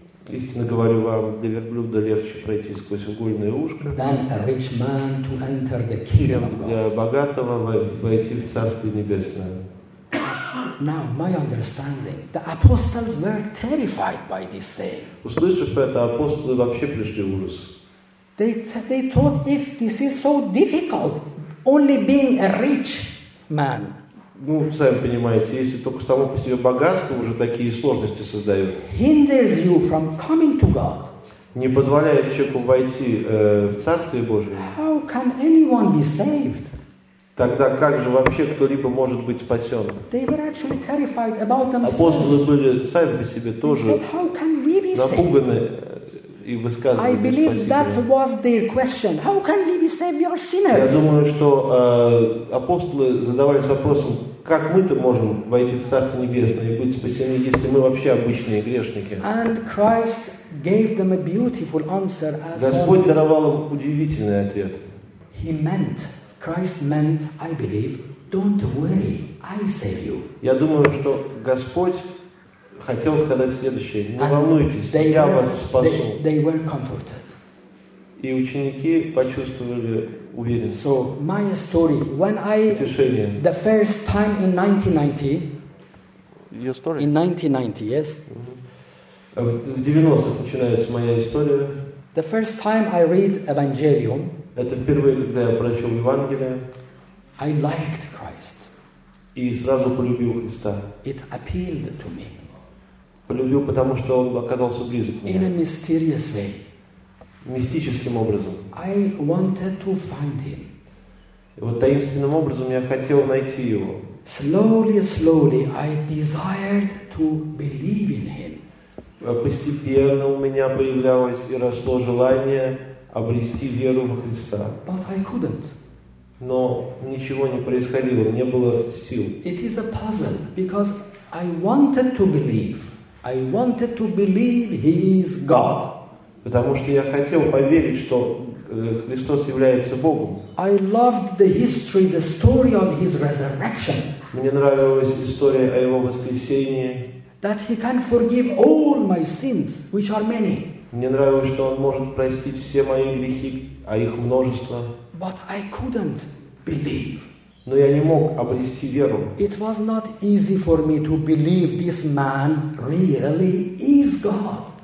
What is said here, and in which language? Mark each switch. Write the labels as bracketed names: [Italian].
[Russian] Истинно говорю вам, для верблюда легче пройти сквозь угольное ушко, чем для богатого войти в Царствие Небесное. [English] now my understanding. The apostles were terrified by this saying. [Russian] Услышав это, апостолы вообще пришли в ужас. [English] They thought if this is so difficult, only being a rich man. [Russian] Ну, сами понимаете, если только само по себе богатство уже такие сложности создает. [English] Hinders you from coming to God. [Russian] Не позволяет человеку войти в Царствие Божие. [English] How can anyone be saved? [Russian] Тогда как же вообще кто-либо может быть спасен? [English] They were actually terrified about themselves. [Russian] Апостолы были сами по себе тоже напуганы и высказывали спасение. [English] I believe that was their question. How can we be saved? We are sinners. [Russian] Я думаю, что апостолы задавались вопросом, как мы-то можем войти в Царство Небесное и быть спасены, если мы вообще обычные грешники? [English] And Christ gave them a beautiful answer. [Russian] Господь даровал им удивительный ответ. [English] He meant. Christ meant, I believe, don't worry, I save you. [Russian] Я думаю, что Господь хотел сказать следующее: не волнуйтесь, я вас спасу. [English] They were comforted. [Russian] И ученики почувствовали уверенность. [English] So my story, when I [Russian] утешение. [English] The first time in 1990. Your story. In 1990, yes. [Russian] В 90-х начинается моя история. [English] The first time I read Evangelium. [Russian] Это впервые, когда я прочел Евангелие. [English] I liked Christ. [Russian] И сразу полюбил Христа. [English] It appealed to me. [Russian] Полюбил, потому что он оказался близок к мне. [English] In a mysterious way. [Russian] Мистическим образом. [English] I wanted to find him. [Russian] И вот таинственным образом я хотел найти его. [English] Slowly, slowly, I desired to believe in him. [Russian] Постепенно у меня появлялось и росло желание обрести веру во Христа. [English] But I couldn't. [Russian] Но ничего не происходило, не было сил. [English] It is a puzzle because I wanted to believe. I wanted to believe He is God. [Russian] Потому что я хотел поверить, что Христос является Богом. [English] I loved the history, the story of His resurrection. [Russian] Мне нравилась история о Его воскресении. [English] That He can forgive all my sins, which are many. [Russian] Мне нравилось, что он может простить все мои грехи, а их множество. [English] But I couldn't believe. [Russian] Но я не мог обрести веру. [English] It was not easy for me to believe this man really is God.